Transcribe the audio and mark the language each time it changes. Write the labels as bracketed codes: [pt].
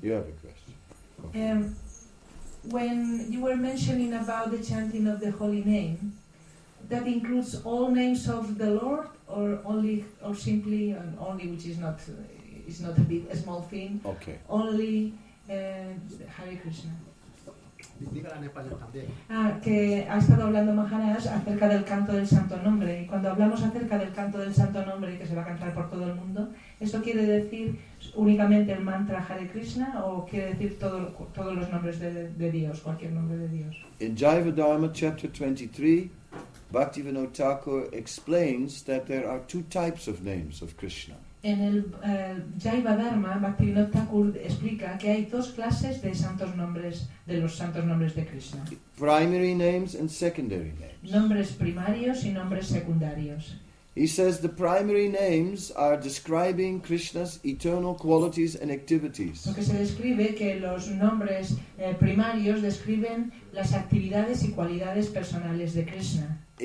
[en] You have a question. When you were mentioning about the chanting of the holy name, that includes all names of the Lord, or only, or simply, and only, which is not, is not a big, a small thing. Okay. Only. Hare Krishna. [es] Dígala en español también. Ah, que ha estado hablando Maharaj acerca del canto del santo nombre. Y cuando hablamos acerca del canto del santo nombre, que se va a cantar por todo el mundo, ¿eso quiere decir únicamente el mantra Hare Krishna o quiere decir todos los nombres de Dios, cualquier nombre de Dios? [en] In Jiva Dharma, chapter 23, Bhaktivinoda Thakur explains that there are two types of names of Krishna. [es] En el Jaiva Dharma, Bhaktivinoda Thakur explica que hay dos clases de santos nombres, de los santos nombres de Krishna. [en] Primary names and secondary names. [es] Nombres primarios y nombres secundarios. [en] He says the primary names are describing Krishna's eternal qualities and activities. [es] Porque se describe que los nombres primarios describen las actividades y cualidades personales de Krishna.